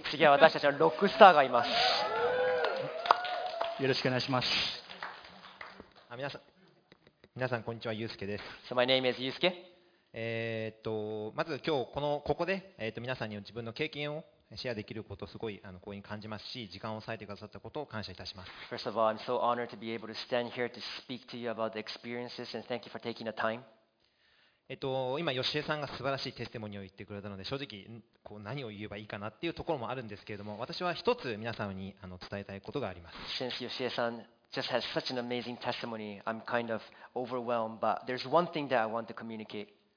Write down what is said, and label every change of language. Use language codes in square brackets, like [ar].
[ja] 次は私たちのロックスターがいます。よろしくお願いします。あ、皆さんこんにちは、Yusuke です。 [en] So my name is Yusuke. [ja] まず今日ここで皆さんに自分の経験をシェアできることをすごい光栄に感じますし、時間を割いてくださったことを感謝いたします。 [en] First of all, I'm so honored to be able to stand here to speak to you about the experiences and thank you for taking the time. [ja] 今吉江さんが素晴らしいテスティモニーを言ってくれたので、正直こう何を言えばいいかなっていうところもあるんですけれども、私は一つ皆さんに伝えたいことがあります。 [en] Since 吉江さん just has such an amazing testimony, I'm kind of overwhelmed, but there's one thing that I want to communicate.